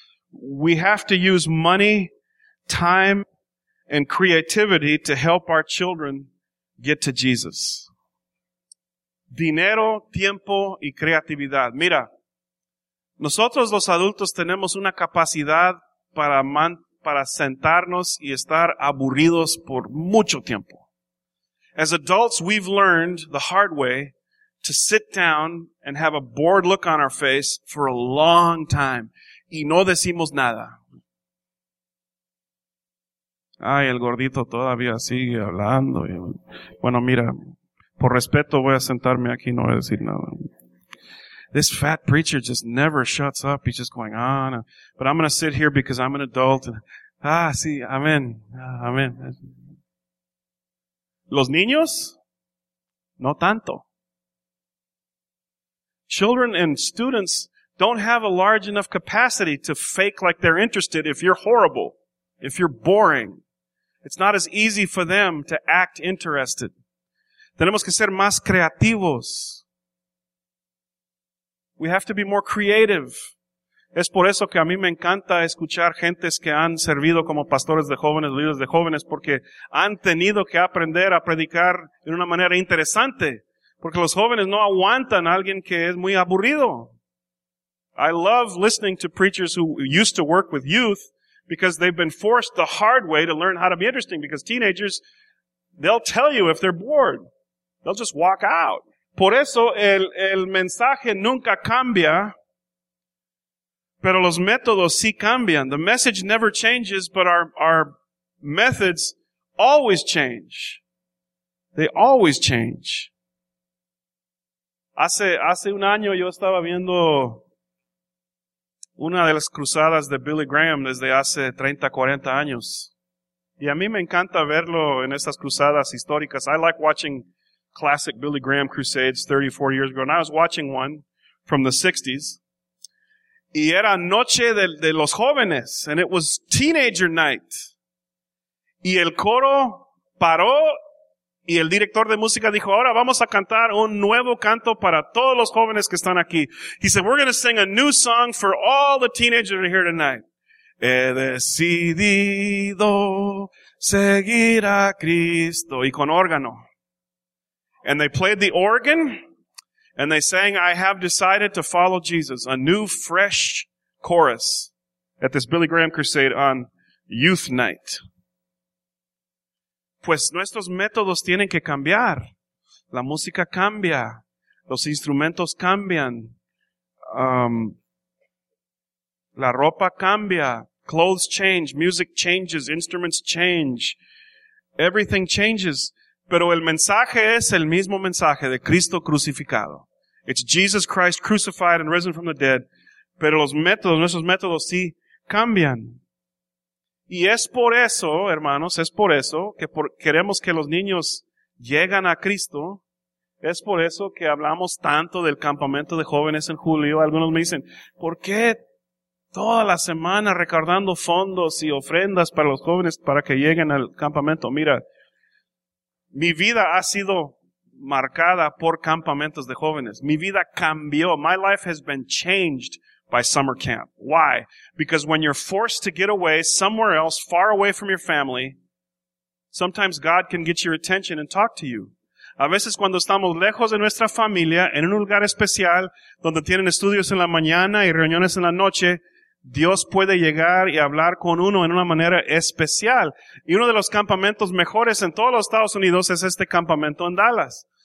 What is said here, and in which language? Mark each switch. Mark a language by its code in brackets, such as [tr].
[en] We have to use money, time, and creativity to help our children get to Jesus. [es] Dinero, tiempo y creatividad. Mira, nosotros los adultos tenemos una capacidad para sentarnos y estar aburridos por mucho tiempo. [en] As adults, we've learned the hard way to sit down and have a bored look on our face for a long time. [es] Y no decimos nada. Ay, el gordito todavía sigue hablando. Bueno, mira, por respeto voy a sentarme aquí y no voy a decir nada. [en] This fat preacher just never shuts up. He's just going on. But I'm going to sit here because I'm an adult. [es] Ah, sí, amén. Amén. Los niños, no tanto. [en] Children and students don't have a large enough capacity to fake like they're interested if you're horrible, if you're boring. It's not as easy for them to act interested. [es] Tenemos que ser más creativos. [en] We have to be more creative. [es] Es por eso que a mí me encanta escuchar gentes que han servido como pastores de jóvenes, líderes de jóvenes, porque han tenido que aprender a predicar de una manera interesante. Porque los jóvenes no aguantan a alguien que es muy aburrido. [en] I love listening to preachers who used to work with youth because they've been forced the hard way to learn how to be interesting. Because teenagers, they'll tell you if they're bored. They'll just walk out. [es] Por eso el mensaje nunca cambia. Pero los métodos sí cambian. [en] The message never changes, but our methods always change. They always change. [es] Hace un año yo estaba viendo una de las cruzadas de Billy Graham desde hace 30, 40 años. Y a mí me encanta verlo en esas cruzadas históricas. [en] I like watching classic Billy Graham crusades 30, 40 years ago. And I was watching one from the 60s. [es] Y era noche de los jóvenes, [en] and it was teenager night. [es] Y el coro paró, y el director de música dijo, ahora vamos a cantar un nuevo canto para todos los jóvenes que están aquí. [en] He said, we're going to sing a new song for all the teenagers that are here tonight. [es] He decidido seguir a Cristo. Y con órgano. [en] And they played the organ. And they sang, I have decided to follow Jesus, a new, fresh chorus at this Billy Graham crusade on youth night. [es] Pues nuestros métodos tienen que cambiar. La música cambia. Los instrumentos cambian. La ropa cambia. Clothes change. Music changes. [en] Instruments change. Everything changes. [es] Pero el mensaje es el mismo mensaje de Cristo crucificado. [en] It's Jesus Christ crucified and risen from the dead. [es] Pero los métodos, nuestros métodos sí cambian. Y es por eso, hermanos, es por eso que queremos que los niños lleguen a Cristo. Es por eso que hablamos tanto del campamento de jóvenes en julio. Algunos me dicen, ¿por qué toda la semana recaudando fondos y ofrendas para los jóvenes para que lleguen al campamento? Mira, mi vida ha sido marcada por campamentos de jóvenes. Mi vida cambió. [en] My life has been changed by summer camp. Why? Because when you're forced to get away somewhere else, far away from your family, sometimes God can get your attention and talk to you. [es] A veces cuando estamos lejos de nuestra familia, en un lugar especial, donde tienen estudios en la mañana y reuniones en la noche, Dios puede llegar y hablar con uno en una manera especial. Y uno de los campamentos mejores en todos los Estados Unidos es este campamento en Dallas.